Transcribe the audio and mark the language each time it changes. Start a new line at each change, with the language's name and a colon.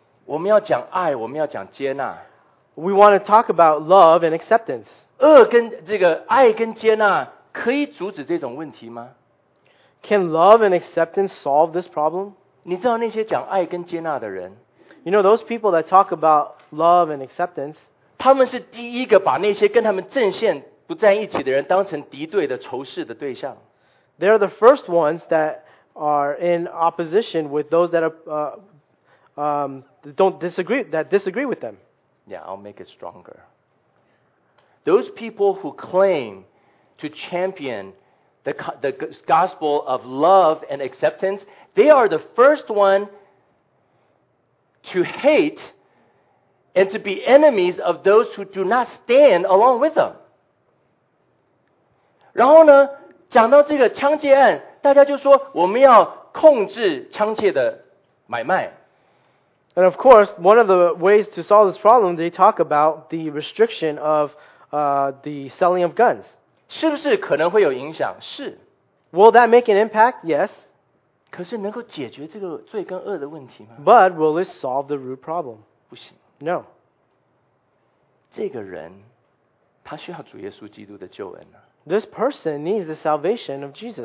Chinese: 我们要讲爱，我们要讲接纳。
English: We want to talk about love and acceptance.
Chinese: 恶跟这个爱跟接纳可以阻止这种问题吗
English: ？Can love and acceptance solve this problem?
Chinese: 你知道那些讲爱跟接纳的人
English: ？You know those people that talk about love and acceptance?
Chinese: 他们是第一个把那些跟他们阵线不在一起的人当成敌对的仇视的对象。
English: They are the first ones that. Are in opposition with those that are, disagree with them. Yeah, I'll make it stronger. Those people who claim to champion the gospel of love and acceptance, they are the first one to hate and to be enemies of those who do not stand along with them.
Chinese: 然后呢，讲到这个枪击案。大家就说我们要控制枪械的买卖。
English: And of course, one of the ways to solve this problem, they talk about the restriction of the selling of guns.
Chinese: 是不是可能会有影响？是。
English: Will that make an impact? Yes.
Chinese: 可是能够解决这个罪跟恶的问题吗
English: ？But will it solve the root problem?
Chinese: 不行。
English: No.
Chinese: 这个人，他他需要主耶稣基督的救恩啊。
English: This person needs the salvation of Jesus.